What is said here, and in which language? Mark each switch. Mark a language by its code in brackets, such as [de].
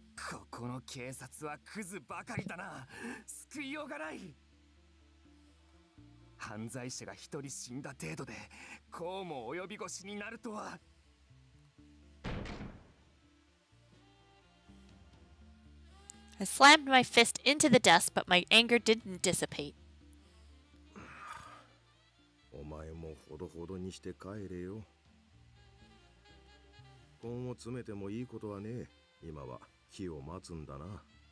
[ja] ここの警察はクズばかりだな。救いようがない。犯罪者が一人死んだ程度でこうも及び腰になるとは。 [en] I slammed my fist into the desk, but my anger didn't dissipate. [ja] お前もほどほどにして帰れよ。根を詰めてもいいことはねえ。今は火を待つんだな。